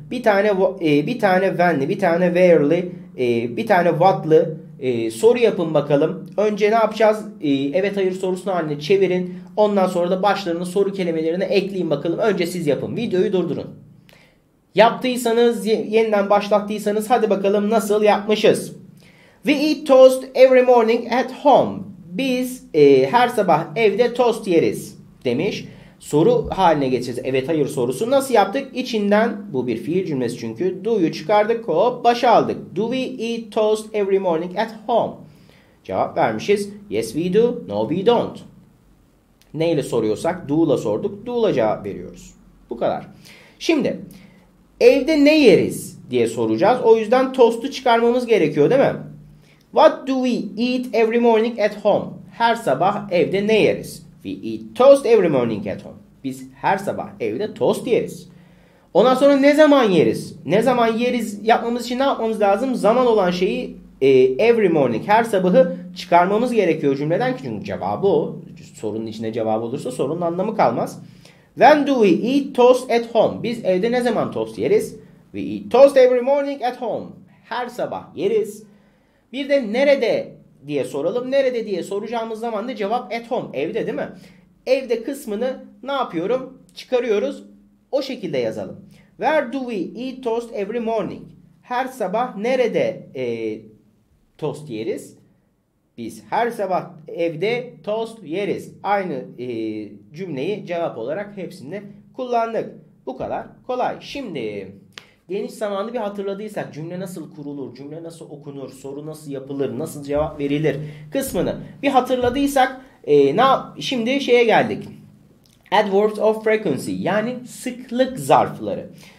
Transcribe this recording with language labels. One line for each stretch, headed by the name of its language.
Turkish: Bir tane when'li, bir tane where'li, bir tane what'lı soru yapın bakalım. Önce ne yapacağız? Evet hayır sorusunu haline çevirin. Ondan sonra da başlarını soru kelimelerine ekleyin bakalım. Önce siz yapın. Videoyu durdurun. Yaptıysanız, yeniden başlattıysanız hadi bakalım nasıl yapmışız.
English: We eat toast every morning at home.
Turkish: Biz her sabah evde tost yeriz demiş. Soru haline getireceğiz. Evet hayır sorusu. Nasıl yaptık? İçinden bu bir fiil cümlesi çünkü. Do'yu çıkardık hop başa aldık.
English: Do we eat toast every morning at home?
Turkish: Cevap vermişiz.
English: Yes we do. No we don't.
Turkish: Neyle soruyorsak do'la sorduk. Do'la cevap veriyoruz. Bu kadar. Şimdi evde ne yeriz diye soracağız. O yüzden tostu çıkarmamız gerekiyor değil mi?
English: What do we eat every morning at home?
Turkish: Her sabah evde ne yeriz?
English: We eat toast every morning at home.
Turkish: Biz her sabah evde tost yeriz. Ondan sonra ne zaman yeriz? Ne zaman yeriz yapmamız için ne yapmamız lazım? Zaman olan şeyi
English: every morning,
Turkish: her sabahı çıkarmamız gerekiyor cümleden. Çünkü cevabı o. Sorunun içinde cevap olursa sorunun anlamı kalmaz.
English: When do we eat toast at home?
Turkish: Biz evde ne zaman tost yeriz?
English: We eat toast every morning at home.
Turkish: Her sabah yeriz. Bir de nerede diye soralım. Nerede diye soracağımız zaman da cevap
English: at home.
Turkish: Evde değil mi? Evde kısmını ne yapıyorum? Çıkarıyoruz. O şekilde yazalım.
English: Where do we eat toast every morning?
Turkish: Her sabah nerede tost yeriz? Biz her sabah evde tost yeriz. Aynı cümleyi cevap olarak hepsinde kullandık. Bu kadar kolay. Şimdi geniş zamanlı bir hatırladıysak cümle nasıl kurulur, cümle nasıl okunur, soru nasıl yapılır, nasıl cevap verilir kısmını bir hatırladıysak şimdi şeye geldik.
English: Adverbs of frequency
Turkish: yani sıklık zarfları.